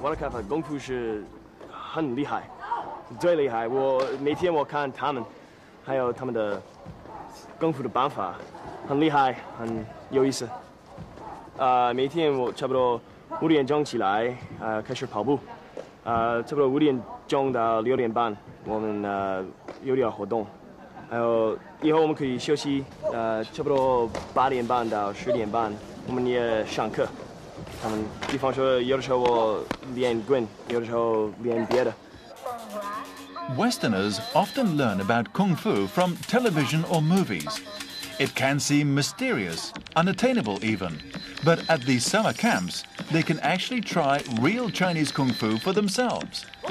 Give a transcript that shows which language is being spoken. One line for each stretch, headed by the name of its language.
English: My kung fu is very strong. Very strong. Every day I watch them, and also their kung fu methods. Very strong, very interesting. Every day I wake up about 5 o'clock, start walking.
Chinese: 差不多5点钟到6点半 我们有点活动 还有以后我们可以休息 差不多8点半到10点半 我们也上课 比方说有的时候我练棍有的时候练别的
English: Westerners often learn about Kung Fu from television or movies. It can seem mysterious, unattainable even. But at these summer camps, they can actually try real Chinese Kung Fu for themselves.